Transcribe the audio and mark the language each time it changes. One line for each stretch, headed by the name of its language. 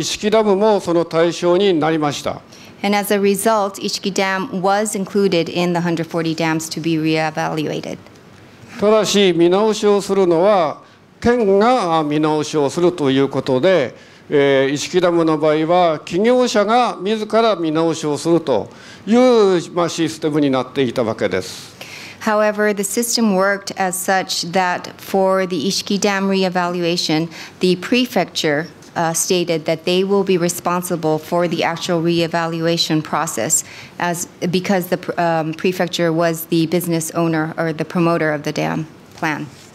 Japanese: で、結果的には、イシキダムもその対象になりました。
English: And as a result, Ishiki Dam was included in the 140 dams to be reevaluated.
Japanese: ただし、見直しをするのは県が見直しをするということで、イシキダムの場合は企業者が自ら見直しをするというシステムになっていたわけです。
English: However, the system worked as such that for the Ishiki Dam reevaluation, the prefecture stated that they will be responsible for the actual reevaluation process as because the prefecture was the business owner or the promoter of the dam plan.